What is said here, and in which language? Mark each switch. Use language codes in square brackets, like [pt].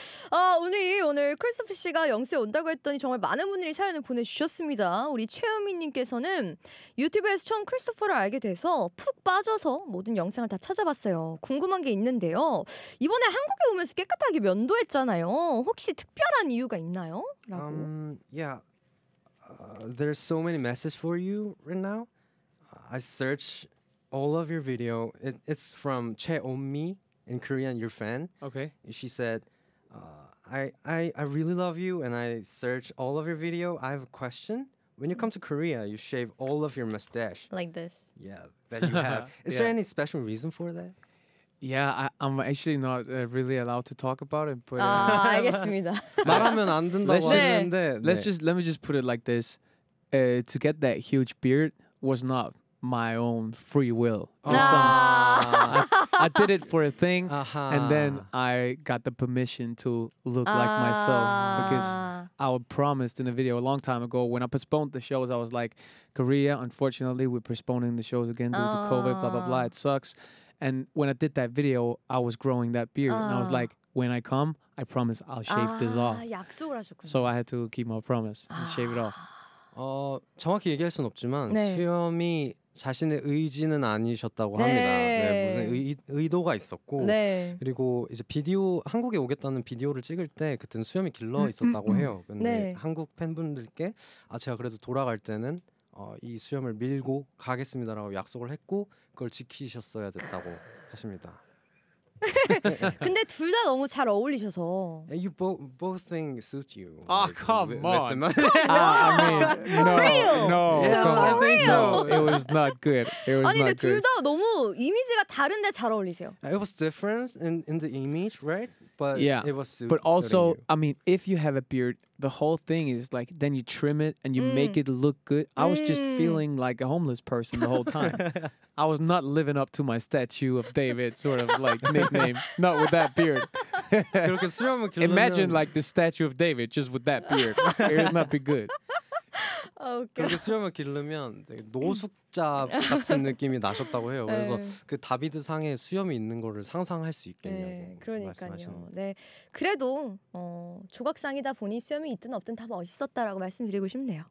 [ko] 어, 오늘 크리스토퍼 씨가 영수에 온다고 했더니 정말 많은 분들이 사연을 보내주셨습니다. 우리 최은미님께서는 유튜브에서 처음 크리스토퍼를 알게 돼서 푹 빠져서 모든 영상을 다 찾아봤어요. 궁금한 게 있는데요. 이번에 한국에 오면서 깨끗하게 면도했잖아요. 혹시 특별한 이유가 있나요? 라고. [en] There's so many messages for you right now. I search all of your video. It's from 최은미 in Korean, your fan. Okay. She said. I really love you and I search all of your video. I have a question. When you come to Korea, you shave all of your mustache. Like this. Yeah, that you have. Is there any special reason for that? Yeah, I'm actually not really allowed to talk about it. But [ko] 알겠습니다. 말하면 안 된다고 하는데. [en] Let me just put it like this. To get that huge beard was not my own free will. I did it for a thing, uh-huh. and then I got the permission to look like myself because I was promised in a video a long time ago when I postponed the shows. I was like, Korea, unfortunately, we're postponing the shows again due to COVID, blah, blah, blah. It sucks. And when I did that video, I was growing that beard. And I was like, when I come, I promise I'll shave this off. [ko] 약속을 하셨군요. [en] So I had to keep my promise and shave it off. [ko] 정확히 얘기할 순 없지만 네. 수염이 자신의 의지는 아니셨다고 네. 합니다. 네, 무슨 의도가 있었고 네. 그리고 이제 비디오 한국에 오겠다는 비디오를 찍을 때 그때는 수염이 길러 있었다고 해요. 근데 네. 한국 팬분들께 아 제가 그래도 돌아갈 때는 이 수염을 밀고 가겠습니다라고 약속을 했고 그걸 지키셨어야 됐다고 하십니다. 근데 둘 다 너무 잘 어울리셔서. [en] You both think suit you. Ah, like, come on. I mean, no, real. No, yeah, no, real. No, it was not good. It was [ko] 아니, [en] not [ko] 근데 둘 다 너무 이미지가 다른데 잘 어울리세요. [en] It was different in the image, right? But yeah. it was suit. But also, I mean, if you have a beard, the whole thing is like then you trim it and you make it look good. I was just feeling like a homeless person the whole time. I was not living up to my statue of David sort of like nickname. Not with that beard. Imagine like the statue of David just with that beard. It would not be good. Oh, [ko] 그렇게 수염을 기르면 되게 노숙자 같은 느낌이 나셨다고 해요. 그래서 네. 그 다비드 상에 수염이 있는 거를 상상할 수 있겠냐고 네, 그러니까요. 말씀하시는 네. 그래도 조각상이다 보니 수염이 있든 없든 다 멋있었다라고 말씀드리고 싶네요.